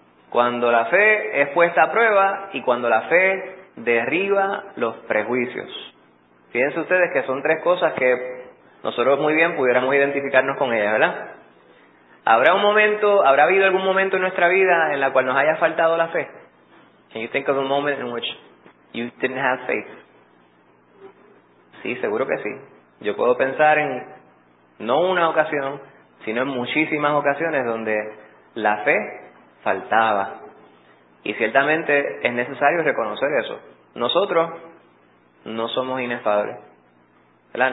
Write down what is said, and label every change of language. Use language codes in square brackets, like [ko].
[es] Cuando la fe es puesta a prueba y cuando la fe derriba los prejuicios. Fíjense ustedes que son tres cosas que nosotros muy bien pudiéramos identificarnos con ellas, ¿verdad? ¿Habrá habido algún momento en nuestra vida en la cual nos haya faltado la fe? [en] Can you think of a moment in which you didn't have faith? [es] Sí, seguro que sí. Yo puedo pensar en no una ocasión, sino en muchísimas ocasiones donde la fe faltaba. Y ciertamente es necesario reconocer eso. Nosotros no somos inefables, ¿verdad?